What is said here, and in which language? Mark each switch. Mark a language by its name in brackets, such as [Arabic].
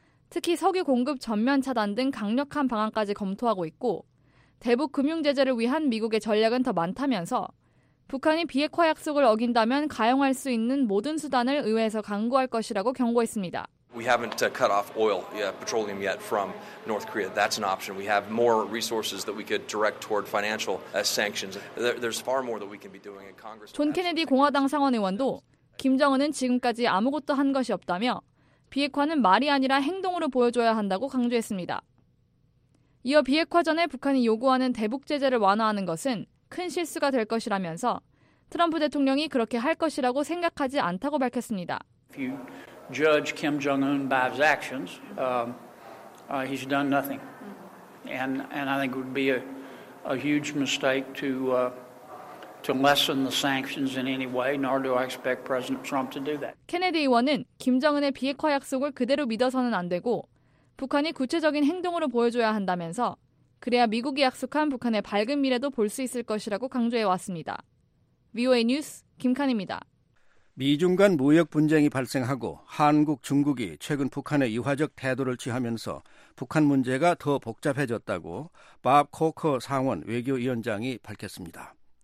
[Korean] 특히 석유 공급 전면 차단 등 강력한 방안까지 검토하고 있고 대북 금융 제재를 위한 미국의 전략은 더 많다면서 북한이 비핵화 약속을 어긴다면 가용할 수 있는 모든 수단을 의회에서 강구할 것이라고 경고했습니다. [English] We haven't cut off oil, yeah, petroleum yet from North Korea. That's an option. We have more resources that we could direct toward financial sanctions. There's far more that we can be doing in Congress. [Korean] 존 케네디 공화당 상원 의원도 김정은은 지금까지 아무것도 한 것이 없다며 비핵화는 말이 아니라 행동으로 보여줘야 한다고 강조했습니다. 이어 비핵화 전에 북한이 요구하는 대북 제재를 완화하는 것은 큰 실수가 될 것이라면서 트럼프 대통령이 그렇게 할 것이라고 생각하지 않다고 밝혔습니다. [English] Judge Kim Jong-un by his actions, he's done nothing. And I think it would be a huge mistake to lessen the sanctions in any way, nor do I expect President Trump to do that. [Korean] 케네디 의원은 김정은의 비핵화 약속을 그대로 믿어서는 안 되고 북한이 구체적인 행동으로 보여줘야 한다면서 그래야 미국이 약속한 북한의 밝은 미래도 볼 수 있을 것이라고 강조해왔습니다. VOA 뉴스 김칸입니다. 미중 간 무역 분쟁이 발생하고 한국, 중국이 최근 북한의 이화적 태도를 취하면서 북한 문제가 더 복잡해졌다고 밥 코커 상원 외교위원장이 밝혔습니다.